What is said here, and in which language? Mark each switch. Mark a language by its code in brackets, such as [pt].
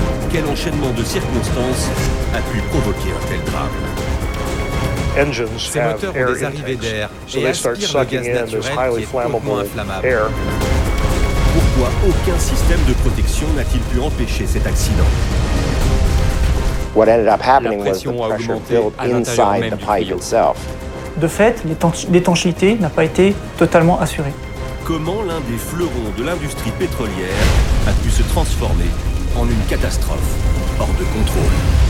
[fr] Quel enchaînement de circonstances a pu provoquer un tel drame ? Ces moteurs ont des arrivées d'air et aspirent le gaz naturel qui est hautement inflammable. Pourquoi aucun système de protection n'a-t-il pu empêcher cet accident ? [en] What ended up happening was the pressure built inside the pipe itself. [fr] De fait, l'étanchéité n'a pas été totalement assurée. Comment l'un des fleurons de l'industrie pétrolière a pu se transformer en une catastrophe hors de contrôle ?